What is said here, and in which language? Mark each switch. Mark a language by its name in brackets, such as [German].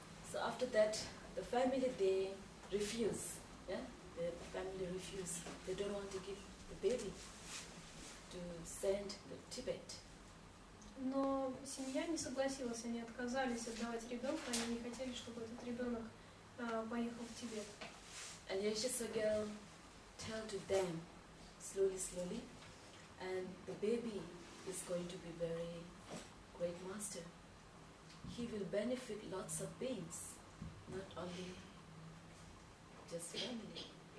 [English] So after that, the family, they refuse. Yeah? The family refuse. They don't want to give the baby to send to Tibet. [Russian] Но семья не согласилась, они отказались отдавать ребенка, они не хотели, чтобы этот ребенок поехал в Тибет. [English] And Yashasa girl tell to them slowly, slowly, and the baby is going to be very great master. He will benefit lots of beings, not only just family.